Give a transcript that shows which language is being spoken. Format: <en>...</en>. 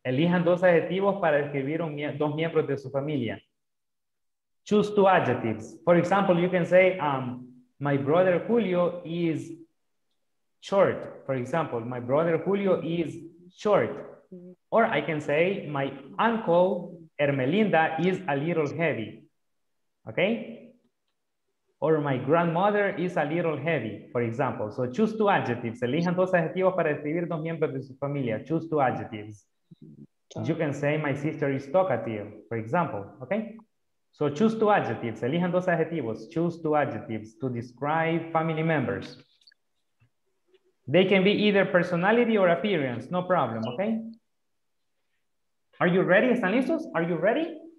<es>Elijan dos adjetivos para describir dos miembros de su familia.</es> <en>Choose two adjectives. For example, you can say, my brother Julio is short. For example, my brother Julio is short. Or I can say, my uncle Ermelinda is a little heavy. Okay? Or my grandmother is a little heavy, for example. So choose two adjectives.</en> <es>Elijan dos adjetivos para describir dos miembros de su familia.</es> <en>Choose two adjectives. You can say my sister is talkative, for example. Okay? So choose two adjectives.</en> <es>Elijan dos adjetivos.</es> <en>Choose two adjectives to describe family members. They can be either personality or appearance. No problem, okay? Are you ready?</en> <es>¿Están listos?</es> <en>Are you ready?</en>